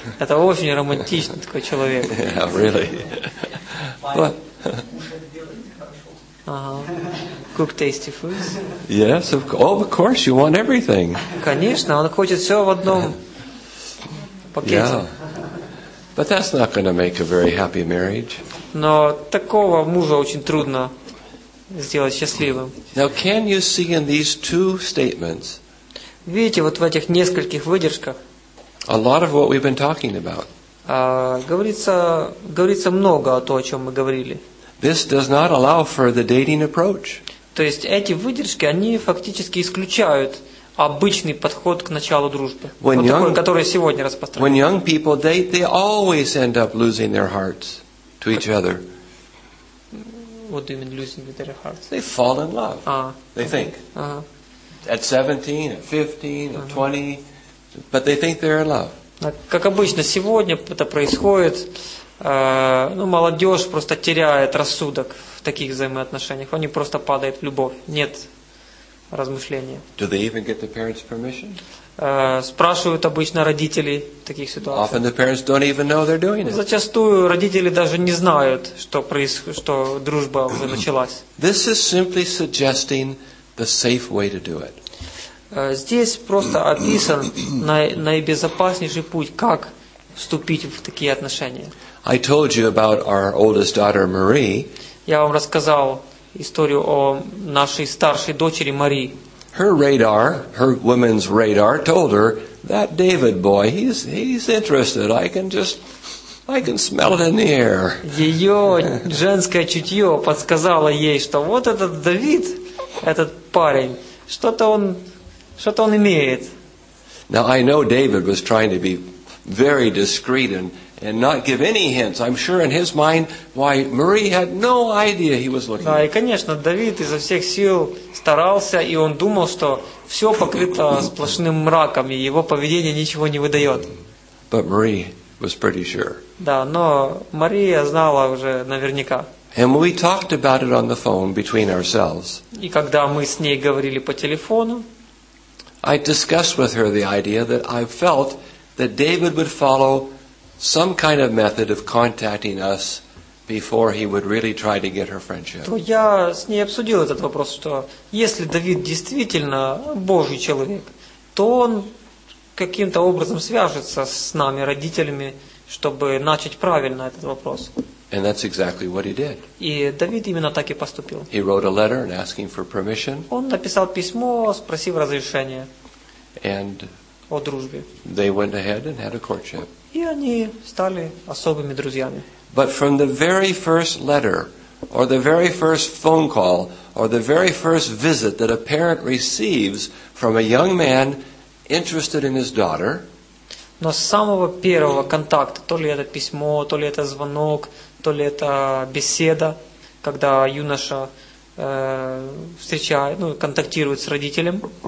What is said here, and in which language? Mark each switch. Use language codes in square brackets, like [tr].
[ru] Это очень романтичный такой человек. [en] Yeah, really. Cook tasty foods. Yes, of course, you want everything. [ru] Конечно, он хочет все в одном пакете. [en] Yeah. But that's not going to make a very happy marriage. [ru] Но такого мужа очень трудно сделать счастливым. [en] Now, can you see in these two statements? [ru] Видите, вот в этих нескольких выдержках. [en] A lot of what we've been talking about. [ru] Говорится много о том, о чем мы говорили. [en] This does not allow for the dating approach. [ru] То есть эти выдержки, они фактически исключают обычный подход к началу дружбы. [en] When [ru] вот [en] young, [ru] такой, который сегодня распространен. [en] When young people date, they always end up losing their hearts. To each other. What do you mean losing their hearts? They fall in love. They okay. think. Uh-huh. At 17, at 15, uh-huh. at 20, but they think they're in love. [ru] Как обычно, сегодня это происходит. Ну, молодежь просто теряет рассудок в таких взаимоотношениях. Они просто падают в любовь. Нет размышления. [en] Do they even get the parents' permission? [ru] Спрашивают обычно родителей в таких ситуациях. [en] Often the parents don't even know they're doing it. [ru] Зачастую родители даже не знают, что дружба уже началась. [en] This is simply suggesting the safe way to do it. [ru] Здесь просто описан наибезопаснейший путь, как вступить в такие отношения. [en] I told you about our oldest daughter Marie. [ru] Я вам рассказал историю о нашей старшей дочери Марии. [en] Her radar, her woman's radar, told her that David boy, he's interested. I can smell it in the air. [ru] Ее женское чутье подсказало ей, что вот этот Давид, этот парень, что-то он имеет. [en] Now I know David was trying to be very discreet and not give any hints. I'm sure in his mind, why Marie had no idea he was looking. [ru] Да, и конечно, Давид изо всех сил старался, и он думал, что все покрыто сплошным мраком, и его поведение ничего не выдает. [en] But Marie was pretty sure. [ru] Да, но Мария знала уже наверняка. [en] And we talked about it on the phone between ourselves. [ru] И когда мы с ней говорили по телефону, [en] I discussed with her the idea that I felt that David would follow some kind of method of contacting us before he would really try to get her friendship. [ru] То я с ней обсудил этот вопрос, что если Давид действительно Божий человек, то он каким-то образом свяжется с нами, родителями, чтобы начать правильно этот вопрос. [en] And that's exactly what he did. [ru] И Давид именно так и поступил. [en] He wrote a letter and asking for permission. [ru] Он написал письмо, спросив разрешения. [en] And [ru] о дружбе. [en] They went ahead and had a courtship. [ru] И они стали особыми друзьями. [en] But from the very first letter, or the very first phone call, or the very first visit that a parent receives from a young man interested in his daughter. [ru] Но с самого первого контакта, то ли это письмо, то ли это звонок, то ли это беседа, когда юноша встречает, ну, контактирует с родителем.